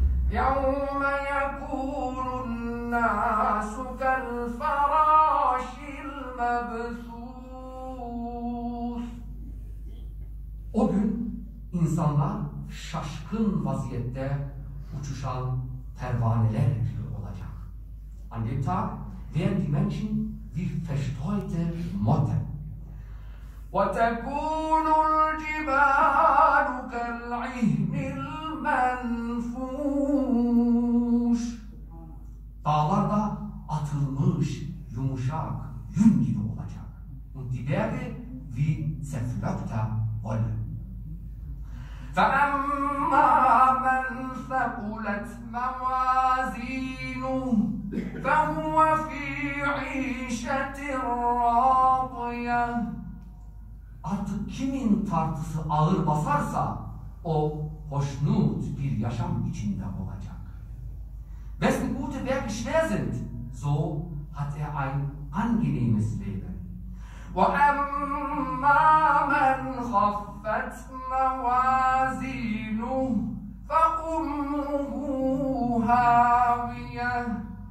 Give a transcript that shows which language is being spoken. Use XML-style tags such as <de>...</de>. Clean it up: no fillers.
<ar>يَوْمَ يَكُونُ النَّاسُ كَالْفَرَاشِ الْمَبْثُوثِ.</ar> <tr>O gün insanlar şaşkın vaziyette uçuşan pervaneler gibi olacak.</tr> <de>An dem Tag werden die Menschen wie verstreute Motten.</de> <ar>وَتَكُونُ الْجِبَالُ كَالْعِهْنِ الْمَنْفُوشِ.</ar> <tr>Dağlar da atılmış, yumuşak, yün gibi olacak.</tr> <de>Und die Berge wie zerflöckte Wolle.</de> <ar>فَأَمَّا مَنْ ثَقُلَتْ مَوَازِينُهُ فَهُوَ فِي عِيشَةٍ رَاضِيَةٍ.</ar> <tr>Artık kimin tartısı ağır basarsa o hoşnut bir yaşam içinde olacak.</tr> <de>Wessen gute Werke schwer sind, so hat ein angenehmes Leben.</de> <ar>وَأَمَّا مَنْ خَفَّتْ مَوَازِينُهُ فَأُمُّهُ هَاوِيَةٌ.</ar>